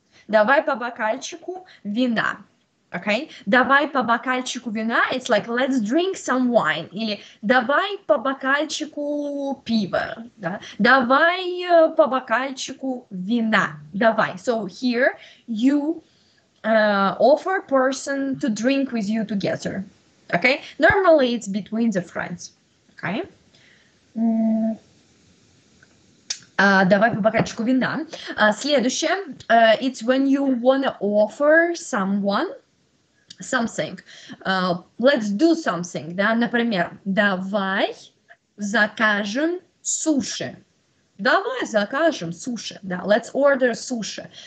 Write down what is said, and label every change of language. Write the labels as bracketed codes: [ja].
[ru] Давай по бокальчику вина. Okay, давай по бокальчику вина. [en] It's like let's drink some wine. [ru] Или давай по бокальчику пива. Да? Давай по бокальчику вина. Давай. [en] So here you offer person to drink with you together. Okay, normally it's between the friends. Okay. [ru] Давай по бокальчику вина. Следующее. [en] It's when you want to offer someone something. Let's do something. [ru] Да? Например, давай закажем суши. Давай закажем суши. Да? [en] Let's order [ru] суши.